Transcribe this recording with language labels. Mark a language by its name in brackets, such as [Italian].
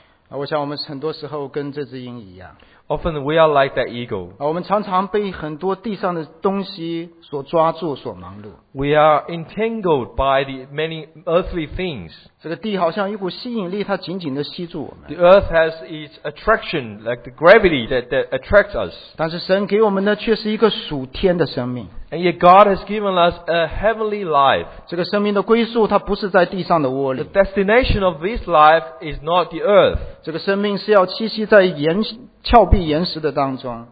[Chinese] 我想我们很多时候跟这只鹰一样。 [English] Often we are like that eagle. [Chinese] 我们常常被很多地上的东西所抓住，所忙碌。 [English] We are entangled by the many earthly things. [Chinese] 这个地好像一股吸引力，它紧紧地吸住我们。 [English] The earth has its attraction, like the gravity that attracts us. [Chinese] 但是神给我们的却是一个属天的生命。 [English] And yet God has given us a heavenly life. [Chinese] 这个生命的归宿，它不是在地上的窝里。 [English] The destination of this life is not the earth. [Chinese] 这个生命是要栖息在岩峭壁岩石的当中。